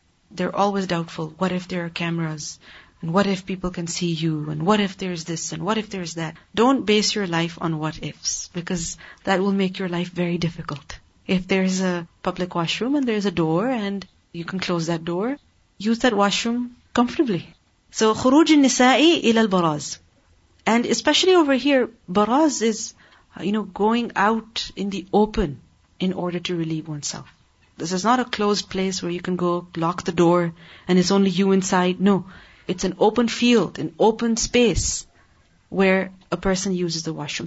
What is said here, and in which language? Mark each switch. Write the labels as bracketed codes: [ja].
[en] They're always doubtful. What if there are cameras? And what if people can see you? And what if there's this? And what if there's that? Don't base your life on what ifs, because that will make your life very difficult. If there's a public washroom and there's a door and you can close that door, use that washroom comfortably. [ar] So, خروج النساء إلى البراز. [en] And especially over here, baraz is, you know, going out in the open in order to relieve oneself. This is not a closed place where you can go lock the door and it's only you inside. No. It's an open field, an open space where a person uses the washroom.